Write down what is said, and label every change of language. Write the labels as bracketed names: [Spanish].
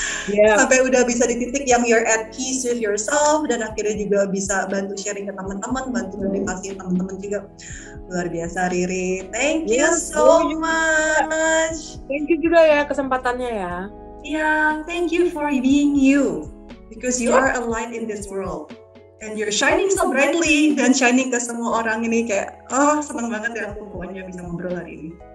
[Indonesian] Sampai udah bisa di titik yang [English] you're at peace with yourself [Indonesian] dan akhirnya juga bisa bantu sharing ke teman-teman, bantu motivasi teman-teman juga. Luar biasa Riri. [English] Thank you so much. Thank you [Indonesian] juga ya kesempatannya ya. [English] Thank you for being you. Because you are a light in this world. And you're shining so brightly [Indonesian] dan shining ke semua orang ini kayak senang banget ya aku pokoknya bisa ngobrol hari ini.